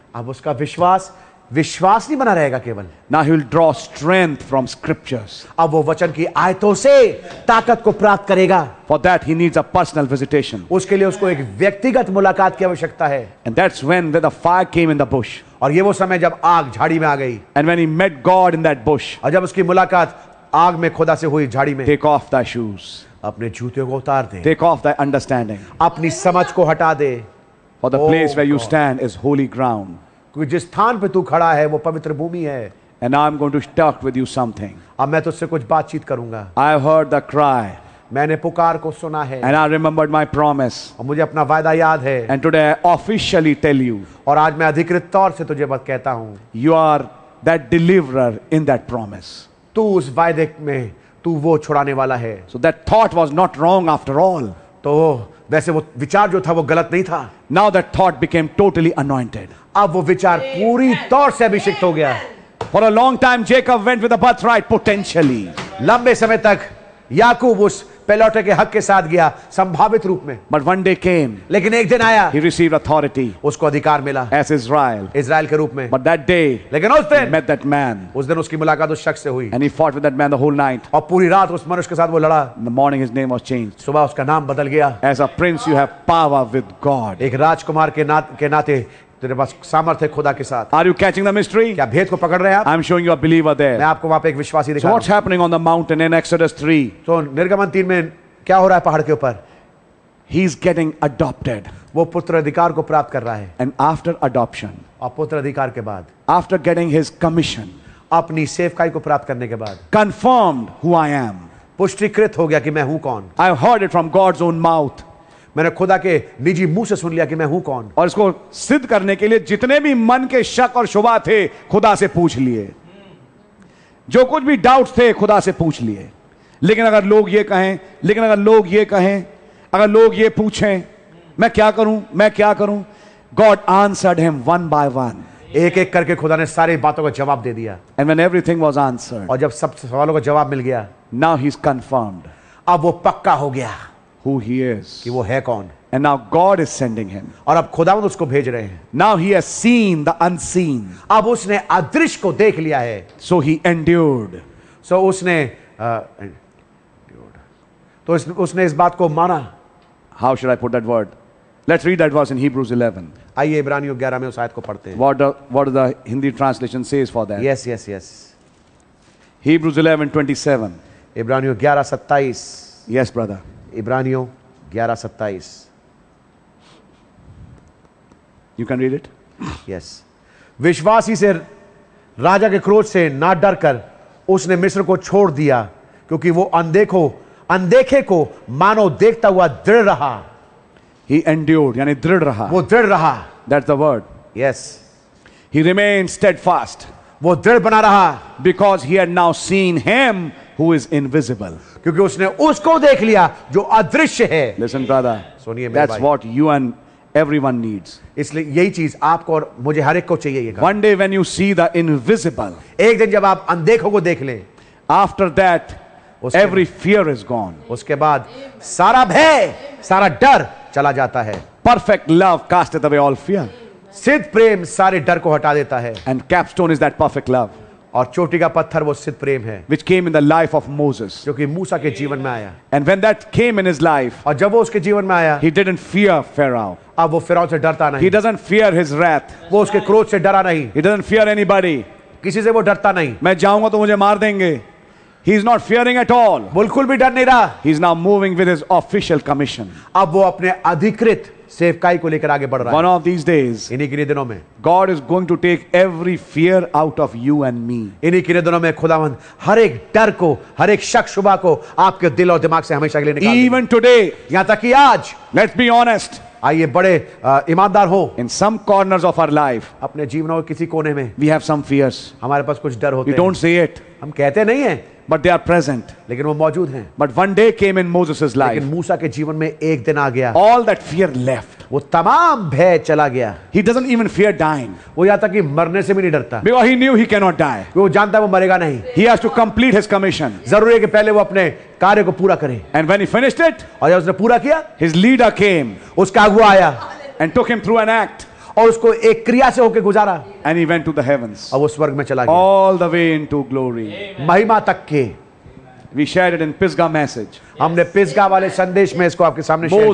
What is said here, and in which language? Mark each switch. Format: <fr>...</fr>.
<hi>अब उसका विश्वास विश्वास नहीं बना रहेगा केवल.</hi> <en>Now he will draw strength from scriptures.</en> <hi>अब वो वचन की आयतों से ताकत को प्राप्त करेगा.</hi> <en>For that he needs a personal visitation.</en> <hi>उसके लिए उसको एक व्यक्तिगत मुलाकात की आवश्यकता है.</hi> <en>And that's when the fire came in the bush.</en> <hi>और ये वो समय जब आग झाड़ी में आ गई.</hi> <en>And when he met God in that bush.</en> <hi>और जब उसकी मुलाकात आग में खुदा से हुई झाड़ी में.</hi> <en>Take off thy shoes.</en> <hi>अपने जूतों को उतार दे.</hi> <en>Take off thy understanding.</en> <hi>अपनी समझ को हटा दे.</hi> <en>For the place where you stand is holy ground.</en> <hi>क्योंकि जिस स्थान पे तू खड़ा है वो पवित्र भूमि है.</hi> <en>And I'm going to talk with you something.</en> <hi>अब मैं तुझसे कुछ बातचीत करूंगा.</hi> <en>I heard the cry.</en> <hi>मैंने पुकार को सुना है.</hi> <en>And I remembered my promise.</en> <hi>और मुझे अपना वायदा याद है.</hi> <en>And today I officially tell you.</en> <hi>और आज मैं अधिकृत तौर से तुझे बात कहता हूँ.</hi> <en>You are that deliverer in that promise.</en> <hi>तू उस वायदे में तू वो छुड़ाने वाला है.</hi> <en>So that thought was not wrong after all.</en> <hi>तो वैसे वो विचार जो था वो गलत नहीं था.</hi> <en>Now that thought became totally anointed.</en> <hi>अब वो विचार पूरी तौर से अभिषिक्त हो गया.</hi> <en>For a long time Jacob went with the birthright potentially.</en> <hi>लंबे समय तक याकूब उस पेलोटे के हक के साथ गया संभावित रूप में.</hi> <en>But one day came.</en> <hi>लेकिन एक दिन आया.</hi> <en>He received authority.</en> <hi>उसको अधिकार मिला.</hi> <en>As Israel.</en> <hi>इज़राइल के रूप में.</hi> <en>But that day.</en> <hi>लेकिन उस दिन.</hi> <en>He met that man.</en> <hi>उस दिन उसकी मुलाकात उस शख्स से हुई.</hi> <en>And he fought with that man the whole night.</en> <hi>और पूरी रात उस मनुष्य के साथ वो लड़ा.</hi> <en>In the morning his name was changed.</en> <hi>सुबह उसका नाम बदल गया.</hi> <en>As a prince you have power with God.</en> <hi>एक राजकुमार के नाते तेरे पास सामर्थ्य खुदा के साथ.</hi> <en>Are you catching the mystery?</en> <hi>क्या भेद को पकड़ रहे हैं आप?</hi> <en>I'm showing you a believer there.</en> <hi>मैं आपको वहाँ पे एक विश्वासी</hi> <en>दिखा. So what's happening on the mountain in Exodus 3?</en> <hi>तो निर्गमन 3 में क्या हो रहा है पहाड़ के ऊपर?</hi> <en>He's getting adopted.</en> <hi>वो पुत्र अधिकार को प्राप्त कर रहा है.</hi> <en>And after adoption.</en> <hi>और पुत्र अधिकार के बाद.</hi> <en>After getting his commission.</en> <hi>अपनी सेवकाई को प्राप्त करने के बाद.</hi> <en>Confirmed who I am.</en> <hi>पुष्टिकृत हो गया कि मैं हूँ कौन.</hi> <en>I heard it from God's own mouth.</en> <hi>मैंने खुदा के निजी मुंह से सुन लिया कि मैं हूं कौन. और इसको सिद्ध करने के लिए जितने भी मन के शक और शुबा थे खुदा से पूछ लिए. जो कुछ भी डाउट थे खुदा से पूछ लिए. लेकिन अगर लोग ये कहें अगर लोग ये पूछें मैं क्या करूं.</hi> <en>God answered him one by one.</en> <hi>एक एक करके खुदा ने सारी बातों का जवाब दे दिया.</hi> <en>And when everything was answered.</en> <hi>और जब सब सवालों का जवाब मिल गया.</hi> <en>Now he is confirmed.</en> <hi>अब वो पक्का हो गया.</hi> <en>Who he is?</en> <hi>कि वो है कौन?</hi> <en>And now God is sending him.</en> <hi>और अब खुदावंद उसको भेज रहे हैं.</hi> <en>Now he has seen the unseen.</en> <hi>अब उसने अदृश्य को देख लिया है.</hi> <en>So he endured. So उसने endured.</en> <hi>तो उसने इस बात को माना.</hi> <en>How should I put that word? Let's read that verse in Hebrews 11.</en> <hi>आइए इब्रानियों 11 में उस आयत को पढ़ते हैं.</hi> <en>What the Hindi translation says for that? Yes. Hebrews 11:27.</en> <hi>इब्रानियों 11:27.</hi> <en>Yes, brother.</en> <hi>इब्रानियों 11:27.</hi> <en>You can read it. Yes.</en> <hi>विश्वासी से राजा के क्रोध से ना डर कर उसने मिस्र को छोड़ दिया क्योंकि वो अनदेखे को मानो देखता हुआ दृढ़ रहा.</hi> <en>He endured,</en> <hi>यानी दृढ़ रहा. वो दृढ़ रहा.</hi> <en>That's the word. Yes. He remained steadfast.</en> <hi>वो दृढ़ बना रहा.</hi> <en>Because he had now seen him who is invisible.</en> <hi>क्योंकि उसने उसको देख लिया जो अदृश्य है.</hi> <en>Listen, brother,</en> <hi>सुनिए मेरे भाई.</hi> <en>That's what you and everyone needs.</en> <hi>इसलिए यही चीज आपको और मुझे हर एक को चाहिए.</hi> <en>One day when you see the invisible,</en> <hi>एक दिन जब आप अनदेखों को देख लें,</hi> <en>after that every fear is gone.</en> <hi>उसके बाद सारा भय सारा डर चला जाता है.</hi> <en>Perfect love casteth away all fear.</en> <hi>सिद्ध प्रेम सारे डर को हटा देता है.</hi> <en>And capstone is that perfect love.</en> <hi>और चोटी का पत्थर वो सिद्ध प्रेम है.</hi> <en>Which came in the life of Moses.</en> <hi>जो कि मूसा के जीवन में आया.</hi> <en>And when that came in his life.</en> <hi>और जब वो उसके जीवन में आया.</hi> <en>He didn't fear Pharaoh.</en> <hi>अब वो फिराओं से डरता नहीं.</hi> <en>He doesn't fear his wrath.</en> <hi>वो उसके क्रोध से डरा नहीं.</hi> <en>He doesn't fear anybody.</en> <hi>किसी से वो डरता नहीं. मैं जाऊंगा तो मुझे मार देंगे.</hi> <en>He is not fearing at all.</en> <hi>बिल्कुल भी डर नहीं रहा.</hi> <en>He is now moving with his official commission.</en> <hi>अब वो अपने अधिकृत सेवकाई को लेकर आगे बढ़ रहा</hi> <en>है। One of these days,</en> <hi>इन्हीं किन्हीं दिनों में,</hi> <en>God is going to take every fear out of you and me।</en> <hi>इन्हीं किन्हीं दिनों में खुदावंद हर एक डर को, हर एक शक शुबा को आपके दिल और दिमाग से हमेशा के लिए निकाल</hi> <en>देंगे। Even today,</en> <hi>यहाँ तक कि आज,</hi> <en>let's be honest,</en> <hi>आइए बड़े ईमानदार हो।</hi> <en>In some corners of our life,</en> <hi>अपने जीवन और किसी कोने में,</hi> <en>we have some fears,</en> <hi>हमारे पास कुछ डर होते</hi> <en>हैं। We don't say it,</en> <hi>हम कहते नहीं हैं।</hi> <en>But they are present.</en> <hi>लेकिन वो मौजूद हैं।</hi> <en>But one day came in Moses's life.</en> <hi>लेकिन मूसा के जीवन में एक दिन आ गया।</hi> <en>All that fear left.</en> <hi>वो तमाम भय चला गया।</hi> <en>He doesn't even fear dying.</en> <hi>वो यहाँ तक कि मरने से भी नहीं डरता।</hi> <en>Because he knew he cannot die.</en> <hi>वो जानता है वो मरेगा नहीं।</hi> <en>He has to complete his commission.</en> <hi>जरूरी है कि पहले वो अपने कार्य को पूरा करे।</hi> <en>And when he finished it,</en> <hi>और जब उसने पूरा किया,</hi> <en>his leader came.</en> <hi>उसका अगुआ आया।</hi> <en>And took him through an act.</en> <hi>और उसको एक क्रिया से होके गुजारा।</hi> <en>And he went to the heavens.</en> <hi>और वो स्वर्ग में चला गया।</hi> <en>All the way into glory.</en> <hi>महिमा तक के।</hi> <en>We shared it in Pisgah message.</en> <hi>हमने पिस्गा वाले संदेश में इसको आपके सामने शेयर</hi>